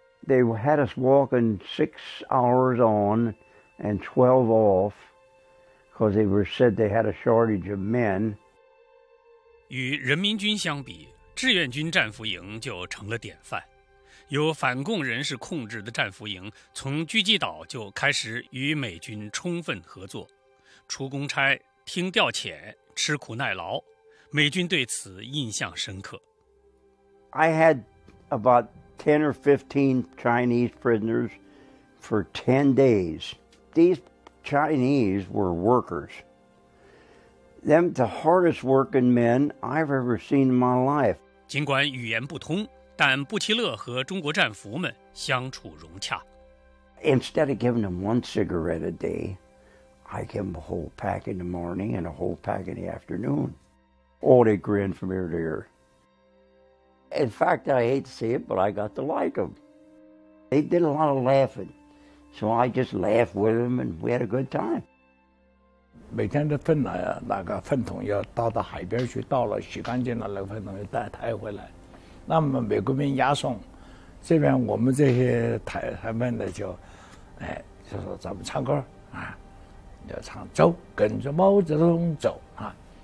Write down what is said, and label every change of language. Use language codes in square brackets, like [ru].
[en] They had us walking 6 hours on and 12 off. Because they were said they had a shortage of men. [zh] 与人民军相比，志愿军战俘营就成了典范。由反共人士控制的战俘营，从聚集岛就开始与美军充分合作，出公差、听调遣、吃苦耐劳，美军对此印象深刻。 [en] I had about 10 or 15 Chinese prisoners for 10 days. These Chinese were workers. Them the hardest working men I've ever seen in my life. [zh] 尽管语言不通，但布奇勒和中国战俘们相处融洽。 [en] Instead of giving them one cigarette a day, I give them a whole pack in the morning and a whole pack in the afternoon. Oh, they grinned from ear to ear. In fact, I hate to say it, but I got to like them. They did a lot of laughing. So I just laughed with him, and we had a good time. [zh] 每天的粪呢，那个粪桶要到海边去倒了，洗干净了，那个粪桶要抬回来。那么美国兵押送，这边我们这些台湾的就，哎，就说咱们唱歌啊，要唱走，跟着毛泽东走啊。